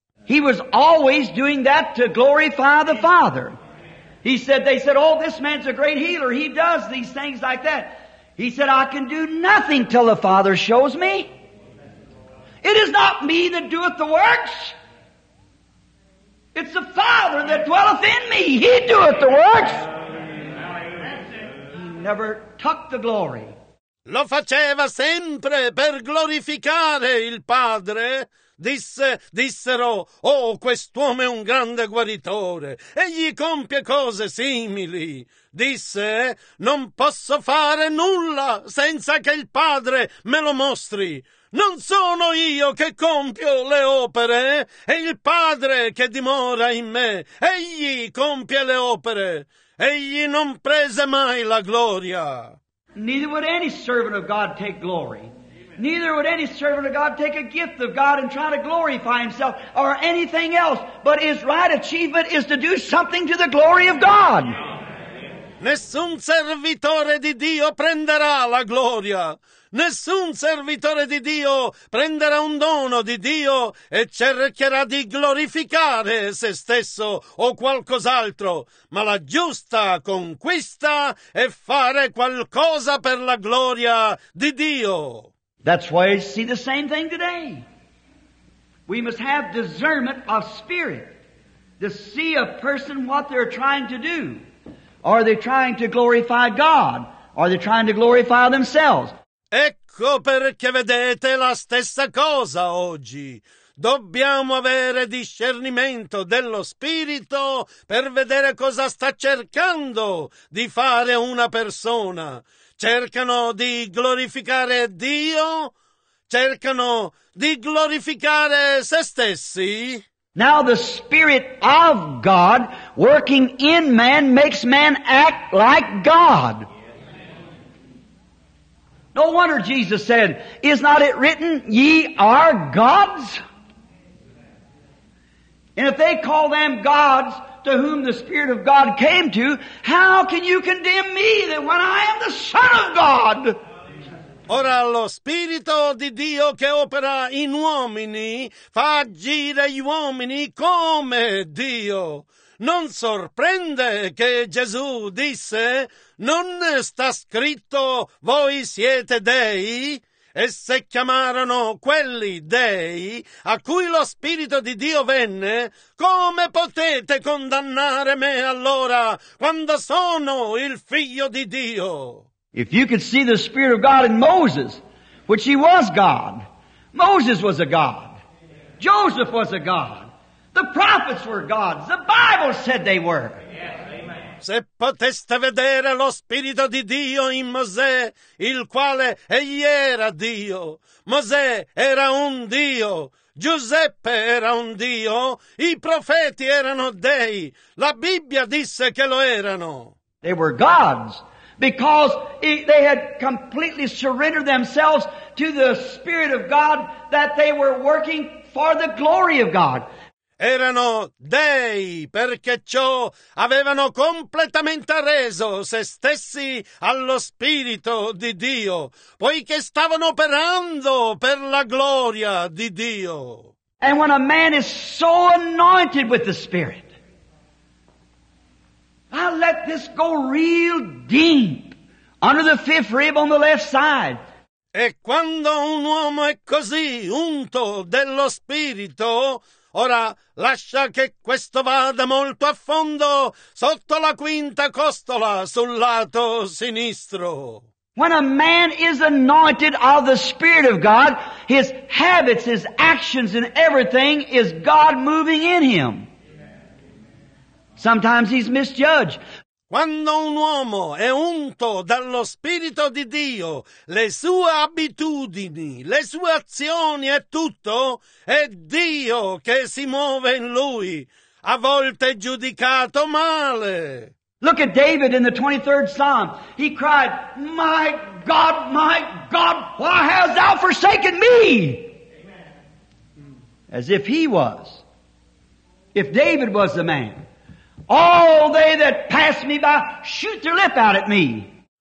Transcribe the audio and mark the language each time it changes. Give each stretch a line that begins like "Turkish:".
English: He was always doing that to glorify the Father. He said, they said, oh, this man's a great healer. He does these things like that. He said, I can do nothing till the Father shows me. It is not me that doeth the works. It's the Father that dwelleth in me. He doeth the works. He never tucked the glory.
Italian: Lo faceva sempre per glorificare il Padre. Dissero, oh, quest'uomo è un grande guaritore, egli compie cose simili. Disse, non posso fare nulla senza che il Padre me lo mostri. Non sono io che compio le opere, è il Padre che dimora in me, egli compie le opere. Egli non prese mai la gloria.
English: Neither would any servant of God take glory. Neither would any servant of God take a gift of God and try to glorify himself or anything else, but his right achievement is to do something to the glory of God.
Italian: Nessun servitore di Dio prenderà la gloria. Nessun servitore di Dio prenderà un dono di Dio e cercherà di glorificare se stesso o qualcos'altro, ma la giusta conquista è fare qualcosa per la gloria di Dio.
English: That's why you see the same thing today. We must have discernment of spirit to see a person what they're trying to do. Are they trying to glorify God? Are they trying to glorify themselves?
Italian: Ecco perché vedete la stessa cosa oggi. Dobbiamo avere discernimento dello spirito per vedere cosa sta cercando di fare una persona. Cercano di glorificare Dio? Cercano di glorificare se stessi?
English: Now the Spirit of God working in man makes man act like God. No wonder Jesus said, is not it written, ye are gods? And if they call them gods, to whom the Spirit of God came to, how can you condemn me that when I am the Son of God?
Italian: Ora lo Spirito di Dio che opera in uomini fa agire gli uomini come Dio. Non sorprende che Gesù disse: non sta scritto voi siete dei? E se chiamarono quelli dei a cui lo Spirito di Dio venne, come potete condannare me allora quando sono il figlio di Dio?
English: If you could see the Spirit of God in Moses, which he was God. Moses was a God. Joseph was a God. The prophets were gods. The Bible said they were.
Italian: Se poteste vedere lo Spirito di Dio in Mosè, il quale egli era Dio. Mosè era un Dio. Giuseppe era un Dio. I profeti erano dei. La Bibbia disse che lo erano.
English: They were gods because they had completely surrendered themselves to the Spirit of God, that they were working for the glory of God.
Italian: Erano dei, perché ciò avevano completamente reso se stessi allo Spirito di Dio, poiché stavano operando per la gloria di Dio.
English: And when a man is so anointed with the Spirit, I let this go real deep under the fifth rib on the left side.
Italian: E quando un uomo è così unto dello Spirito, ora lascia che questo vada molto a fondo sotto la quinta costola sul lato sinistro.
English: When a man is anointed of the Spirit of God, his habits, his actions and everything is God moving in him. Sometimes he's misjudged.
Italian: Quando un uomo è unto dallo Spirito di Dio, le sue abitudini, le sue azioni e tutto, è Dio che si muove in lui, a volte giudicato male.
English: Look at David in the 23rd Psalm. He cried, my God, why hast thou forsaken me? As if he was. If David was the man. All they that pass me by shoot their lip out at me.